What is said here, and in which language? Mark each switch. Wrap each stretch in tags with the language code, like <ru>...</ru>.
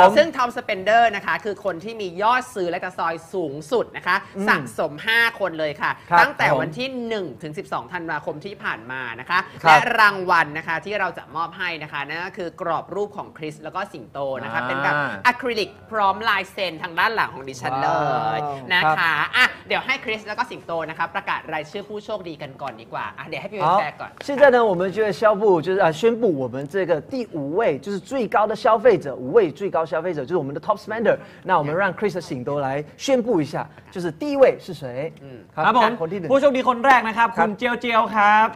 <th>ซึ่ง top spender นะคะคือคนที่มียอดซื้อและก็ซอยสูงสุดนะคะสะสม5คนเลยค่ะตั้งแต่วันที่1ถึง12ธันวาคมที่ผ่านมานะคะและรางวัลนะคะที่เราจะมอบให้นะคะนั่นก็คือกรอบรูปของคริสแล้วก็สิงโตนะคะเป็นแบบอะคริลิกพร้อมลายเซ็นทางด้านหลังของดิฉันนะคะเดี๋ยวให้คริสแล้วก็สิงโตนะคะประกาศรายชื่อผู้โชคดีกันก่อนดีกว่าเดี๋ยวให้พี่เวฟแจกก่อน</th> <zh>现在呢我们就宣布就是宣布我们这个第五位就是最高的消费者五位最高消费者就是我们的 top spender 那我们让 Chris 和醒都来宣布一下就是第一位是谁</zh> <th>ครับผมผู้โชคดีคนแรกนะครับคุณเจียวเจียวครับ</th>